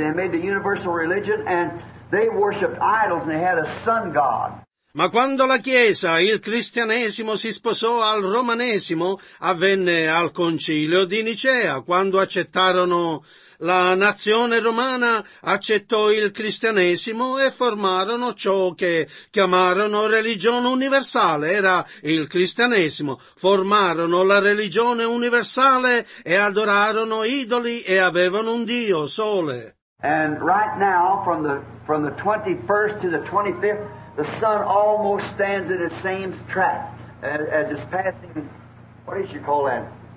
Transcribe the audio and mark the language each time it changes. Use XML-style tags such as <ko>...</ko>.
<en>They made the universal religion, and they worshipped idols, and they had a sun god.</en> <it>Ma quando la Chiesa, il cristianesimo, si sposò al romanesimo, avvenne al concilio di Nicea, quando accettarono la nazione romana, accettò il cristianesimo e formarono ciò che chiamarono religione universale, era il cristianesimo, formarono la religione universale e adorarono idoli e avevano un Dio, Sole.</it> <en>And right now, from the 21st to the 25th, the sun almost stands in the same track as it's passing. What did you call that?</en>